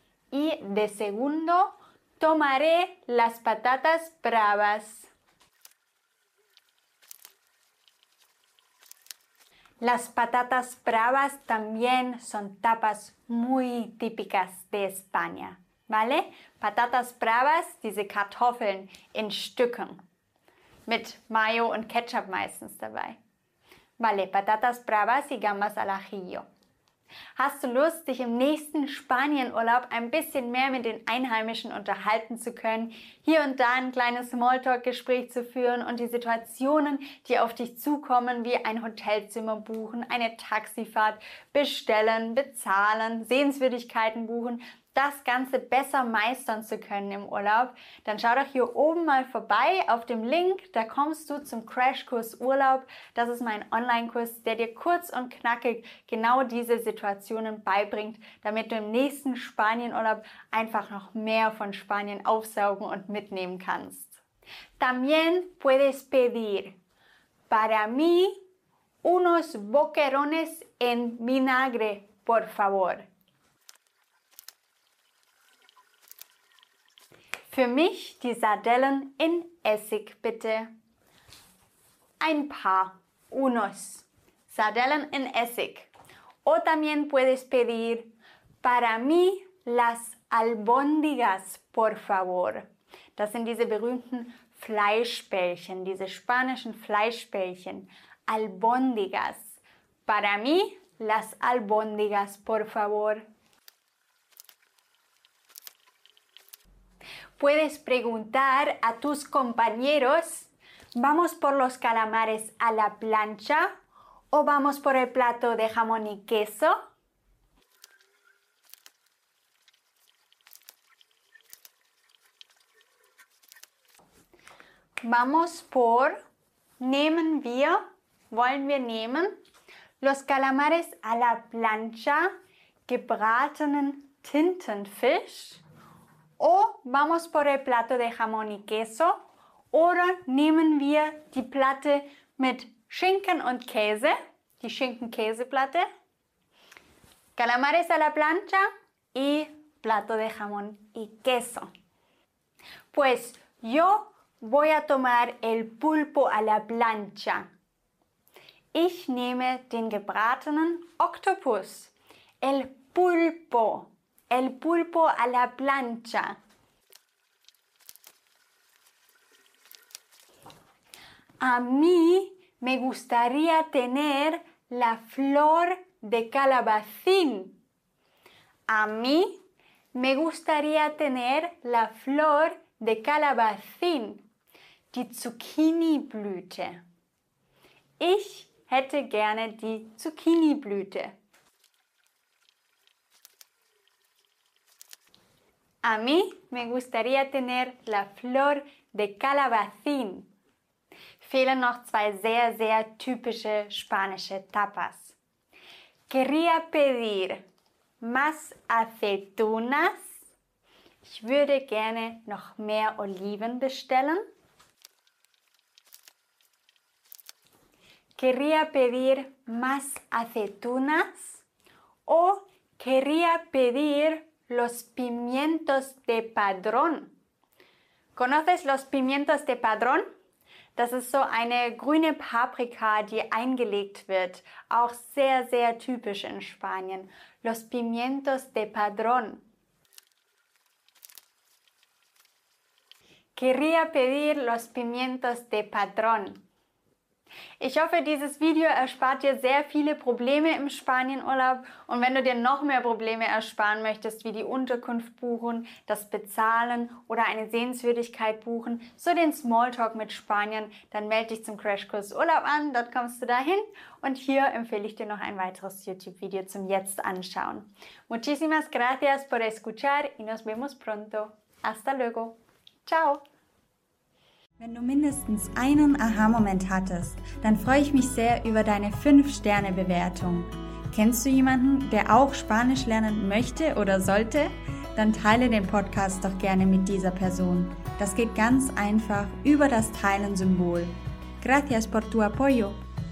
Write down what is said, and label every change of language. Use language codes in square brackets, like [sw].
[es] Y de segundo, tomaré las patatas bravas. Las patatas bravas también son tapas muy típicas de España. ¿Vale? [de] Patatas bravas, diese Kartoffeln in Stücken. Mit Mayo und Ketchup meistens dabei. [es] Vale, patatas bravas y gambas al ajillo. [de] Hast du Lust, dich im nächsten Spanienurlaub ein bisschen mehr mit den Einheimischen unterhalten zu können, hier und da ein kleines Smalltalk-Gespräch zu führen und die Situationen, die auf dich zukommen, wie ein Hotelzimmer buchen, eine Taxifahrt bestellen, bezahlen, Sehenswürdigkeiten buchen, das Ganze besser meistern zu können im Urlaub, dann schau doch hier oben mal vorbei auf dem Link, da kommst du zum Crashkurs Urlaub. Das ist mein Online-Kurs, der dir kurz und knackig genau diese Situationen beibringt, damit du im nächsten Spanienurlaub einfach noch mehr von Spanien aufsaugen und mitnehmen kannst. [es] También puedes pedir para mí unos boquerones en vinagre, por favor. [de] Für mich die Sardellen in Essig, bitte. Ein paar, unos. Sardellen in Essig. [es] O también puedes pedir para mí las albóndigas, por favor. [de] Das sind diese berühmten Fleischbällchen, diese spanischen Fleischbällchen. [es] Albóndigas. Para mí las albóndigas, por favor. Puedes preguntar a tus compañeros, ¿vamos por los calamares a la plancha ¿O vamos por el plato de jamón y queso? Vamos por... [de] ¿Nehmen wir? ¿Wollen wir nehmen? [es] Los calamares a la plancha, [de] gebratenen Tintenfisch. [es] O vamos por el plato de jamón y queso. [de] Oder nehmen wir die Platte mit Schinken und Käse, die Schinken-Käse-Platte. [es] Calamares a la plancha y plato de jamón y queso. Pues yo voy a tomar el pulpo a la plancha. [de] Ich nehme den gebratenen Oktopus. [es] El pulpo a la plancha. A mí me gustaría tener la flor de calabacín. A mí me gustaría tener la flor de calabacín. [de] Die Zucchini-Blüte. Ich hätte gerne die Zucchini-Blüte. [es] A mí me gustaría tener la flor de calabacín. [de] Fehlen noch zwei sehr, sehr typische spanische Tapas. [es] Quería pedir más aceitunas. [de] Ich würde gerne noch mehr Oliven bestellen. [es] Quería pedir más aceitunas o quería pedir los pimientos de padrón. ¿Conoces los pimientos de padrón? [de] Das ist so eine grüne Paprika, die eingelegt wird. Auch sehr, sehr typisch in Spanien. [es] Los pimientos de padrón. Quería pedir los pimientos de padrón. [de] Ich hoffe, dieses Video erspart dir sehr viele Probleme im Spanienurlaub. Und wenn du dir noch mehr Probleme ersparen möchtest, wie die Unterkunft buchen, das Bezahlen oder eine Sehenswürdigkeit buchen, so den Smalltalk mit Spaniern, dann melde dich zum Crashkurs Urlaub an, dort kommst du dahin. Und hier empfehle ich dir noch ein weiteres YouTube-Video zum Jetzt anschauen. [es] Muchísimas gracias por escuchar y nos vemos pronto. Hasta luego. Ciao. [de] Wenn du mindestens einen Aha-Moment hattest, dann freue ich mich sehr über deine 5-Sterne-Bewertung. Kennst du jemanden, der auch Spanisch lernen möchte oder sollte? Dann teile den Podcast doch gerne mit dieser Person. Das geht ganz einfach über das Teilen-Symbol. [es] Gracias por tu apoyo.